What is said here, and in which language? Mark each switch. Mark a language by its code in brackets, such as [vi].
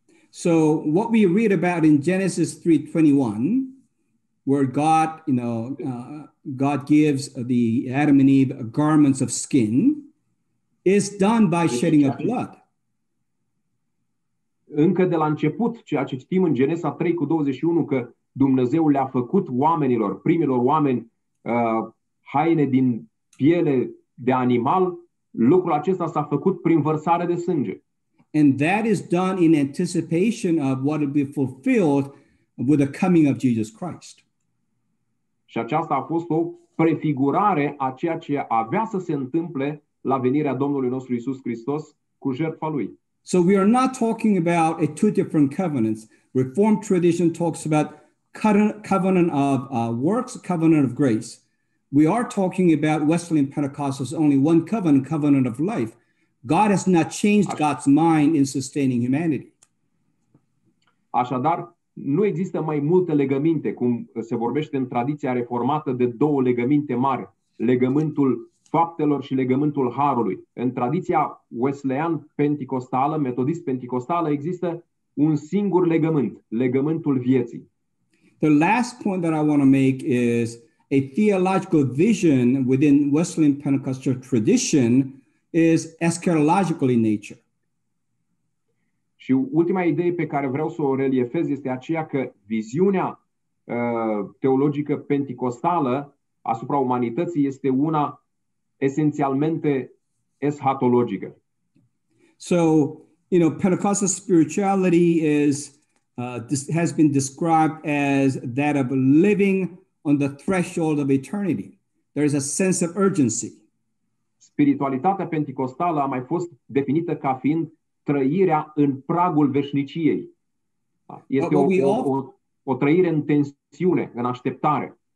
[en] So what we read about in Genesis 3:21, where God, you know, God gives the Adam and Eve garments of skin, is done by shedding of blood. [ro] Încă de la început, ceea ce citim în Genesa 3:21, că Dumnezeu le-a făcut oamenilor, primilor oameni, haine din piele de animal, lucrul acesta s-a făcut prin vărsare de sânge. [en] And that is done in anticipation of what will be fulfilled with the coming of Jesus Christ. [ro] Și aceasta a fost o prefigurare a ceea ce avea să se întâmple la venirea Domnului nostru Iisus Hristos cu jertfa Lui. [en] So we are not talking about a two different covenants. Reformed tradition talks about covenant of works, covenant of grace. We are talking about Wesleyan Pentecostals only one covenant, covenant of life. God has not changed God's mind in sustaining humanity. [ro] Așadar, nu există mai multe legăminte, cum se vorbește în tradiția reformată, de două legăminte mari, legământul faptelor și legământul harului. În tradiția Wesleyan-Pentecostală, metodist-pentecostală, există un singur legământ, legământul vieții. [en] The last point that I want to make is a theological vision within Wesleyan Pentecostal tradition is eschatological in nature. [ro] Și ultima idee pe care vreau să o reliefez este aceea că viziunea teologică penticostală asupra umanității este una esențialmente eschatologică. [en] So, you know, Pentecostal spirituality is has been described as that of living on the threshold of eternity. There is a sense of urgency. [ro] Spiritualitatea penticostală a mai fost definită ca fiind trăirea în pragul veșniciei. Este o trăire în tensiune, în așteptare.